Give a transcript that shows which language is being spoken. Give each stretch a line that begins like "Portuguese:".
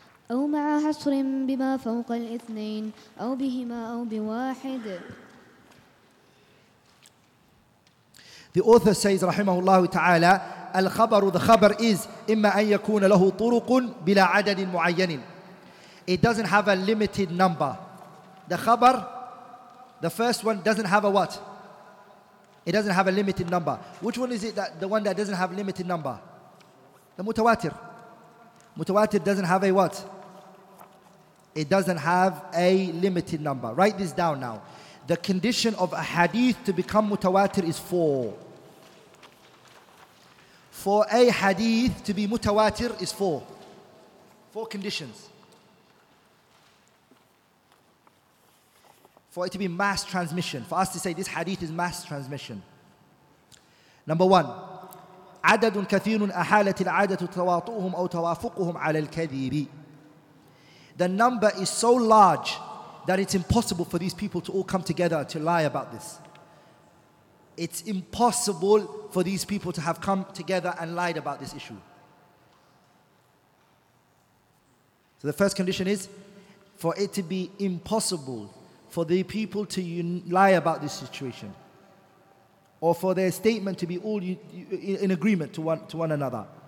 Arabic: أو مع حصر بما فوق الاثنين أو بهما أو بواحد.
English: The author says, رحمه الله تعالى, الخبر, the خبر is, إما أن يكون له طرق بلا عدد معين. It doesn't have a limited number. The خبر, the first one, doesn't have a what? It doesn't have a limited number. Which one is it, that the one that doesn't have a limited number? The mutawatir. Mutawatir doesn't have a what? It doesn't have a limited number. Write this down now. The condition of a hadith to become mutawatir is four. For a hadith to be mutawatir is four. Four conditions. For it to be mass transmission, for us to say this hadith is mass transmission.
Arabic: Number one, عدد كثير أحالت العادة تواطؤهم أو توافقهم على الكذب.
English: The number is so large that it's impossible for these people to all come together to lie about this. It's impossible for these people to have come together and lied about this issue. So the first condition is for it to be impossible for the people to lie about this situation, or for their statement to be all in agreement to one another.